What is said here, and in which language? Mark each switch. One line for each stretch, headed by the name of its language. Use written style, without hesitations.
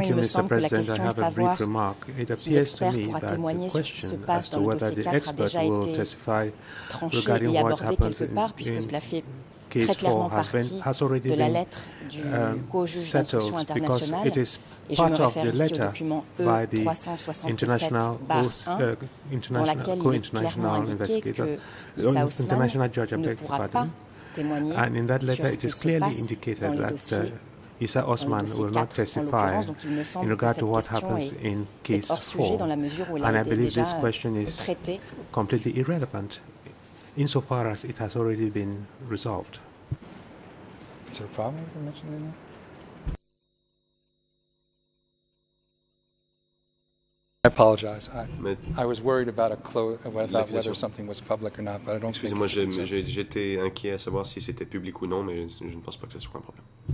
French: Il me semble que la question de savoir si l'expert pourra témoigner sur ce qui se passe dans le dossier 4 a déjà été tranchée et abordée quelque part, puisque cela fait très clairement partie de la lettre du co-juge d'instruction internationale. Et je me réfère ici au document E-367-1, dans laquelle il est clairement indiqué que Issa Osman ne pourra pas témoigner sur ce qui se passe dans les dossiers.
English: Issa Osman will not testify in regard to what happens in case 4. And I believe this question is completely irrelevant insofar as it has already been resolved. Is there a problem with the mention right now? I apologize. I was worried about whether something was public or not, but I don't think it's a problem.
French: Excusez-moi, j'étais inquiet à savoir si c'était public ou non, mais je ne pense pas que ce soit un problème.